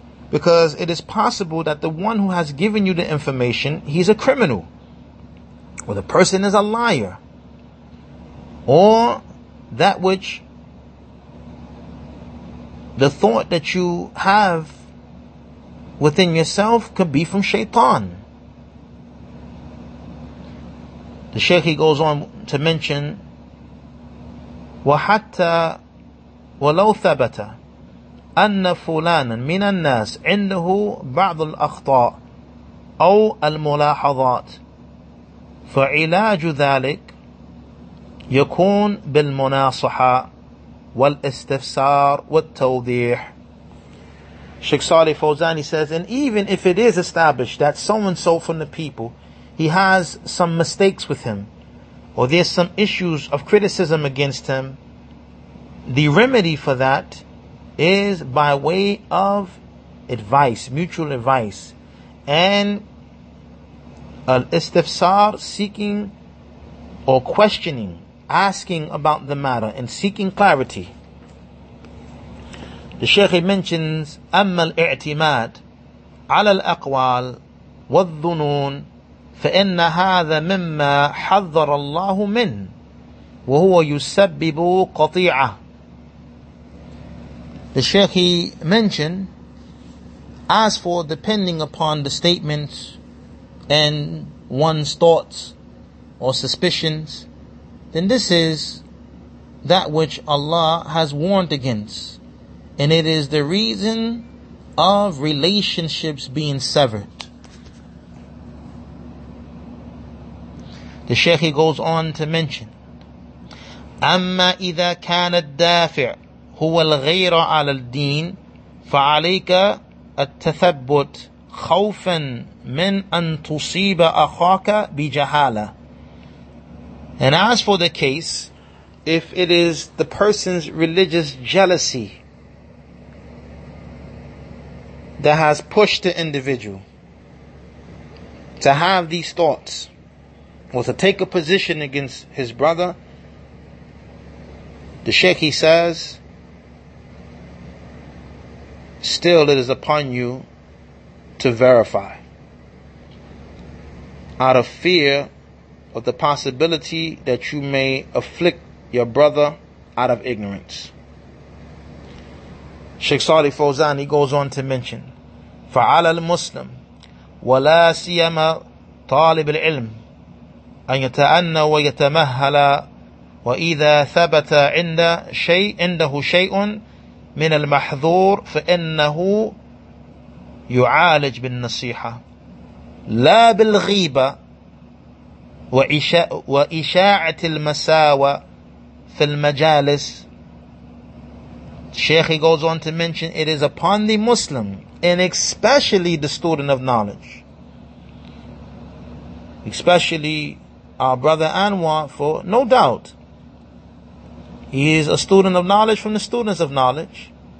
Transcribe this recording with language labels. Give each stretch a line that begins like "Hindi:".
English: Because it is possible that the one who has given you the information, he's a criminal. Or the person is a liar. Or that which the thought that you have within yourself could be from shaitan. The Sheikh, he goes on to mention,
Arabic: وَحَتَّى وَلَوْ ثَبَتَ أَنَّ فُلَانًا مِنَ النَّاسِ عِنْدَهُ بَعْضُ الْأَخْطَاءِ أَوْ الْمُلَاحَظَاتِ فَعِلَاجُ ذَلِكَ يَكُونَ بِالْمُنَاصَحَ وَالْإِسْتِفْسَارِ وَالْتَوْضِيحِ.
English: Sheikh Salih Fawzan says, and even if it is established that so-and-so from the people, he has some mistakes with him, or there's some issues of criticism against him, the remedy for that is by way of advice, mutual advice, and al-istifsar, seeking or questioning, asking about the matter and seeking clarity. The Sheikh mentions,
Arabic: أَمَّا الْإِعْتِمَادِ عَلَى الْأَقْوَالِ وَالظُّنُونَ فَإِنَّ هَذَا مِمَّا حَذَّرَ اللَّهُ مِنْ وَهُوَ يُسَبِّبُ قَطِيعَةً.
English: The Sheikh, he mentioned, as for depending upon the statements and one's thoughts or suspicions, then this is that which Allah has warned against, and it is the reason of relationships being severed. The Sheikh, he goes on to mention,
Arabic: أَمَّا إِذَا كَانَ الدَّافِعُ هُوَ الْغَيْرَ عَلَى الدِّينِ فَعَلَيْكَ التَّثَبُّتْ خَوْفًا مِنْ أَن تُصِيبَ أَخَاكَ بِجَهَالَةٍ.
English: And as for the case, if it is the person's religious jealousy that has pushed the individual to have these thoughts, or to take a position against his brother, the Sheikh, he says, still it is upon you to verify out of fear of the possibility that you may afflict your brother out of ignorance. Sheikh Salih Fawzan, he goes on to mention,
Arabic: فَعَلَى الْمُسْلِمِ وَلَا سِيَمَ طَالِبِ الْعِلْمِ أن يتأنى ويتمهل وإذا ثبت عند شيء عنده شيء من المحظور فإنه يعالج بالنصيحة لا بالغيبة وإشاعة المساوى في المجالس.
English: Sheikh, he goes on to mention, it is upon the Muslim, and especially the student of knowledge, especially our brother Anwar, for no doubt, he is a student of knowledge from the students of knowledge.